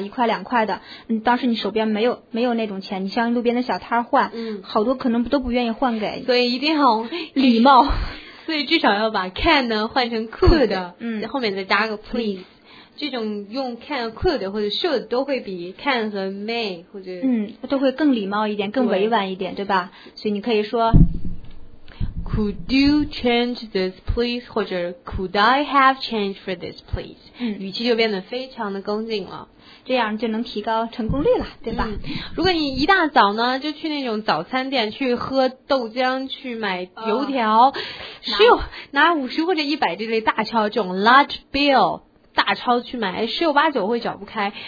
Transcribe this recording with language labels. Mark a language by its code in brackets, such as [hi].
[zh] 1块2块的，当时你手边没有那种钱，你向路边的小摊换，好多可能都不愿意换给，所以一定要礼貌。所以至少要把 can 呢换成 could， 后面再加个 please。这种用 can、could 或者 should 都会比 can 和 may 或者都会更礼貌一点，更委婉一点，对吧？所以你可以说 [en] could you change this please， [zh] 或者 [en] could I have change for this please？ [zh] 语气就变得非常的恭敬了。这样就能提高成功率了，对吧？如果你一大早呢就去那种早餐店去喝豆浆，去买油条，拿50或者100这类大钞，这种 large bill 大钞去买，18、9会找不开。